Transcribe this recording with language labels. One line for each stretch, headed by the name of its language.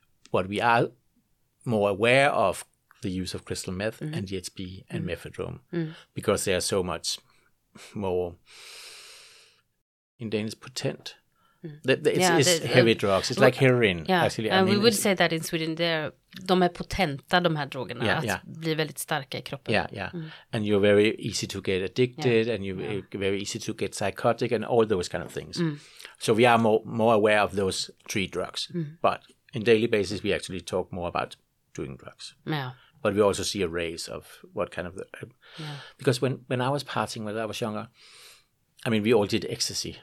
English: What we are more aware of the use of crystal meth and DHB and methadrome because they are so much more in Danish potent. It's heavy drugs. It's like heroin. Yeah. Actually, I mean, we would say that in Sweden.
Swedish: De är potenta, de här drogerna.
English: Yeah,
Swedish: att bli väldigt starka i kroppen.
English: And you're very easy to get addicted and you're very easy to get psychotic and all those kind of things. So we are more aware of those three drugs. But in daily basis, we actually talk more about doing drugs. Yeah. But we also see a raise of what kind of... Because when I was partying, when I was younger, I mean, we all did ecstasy.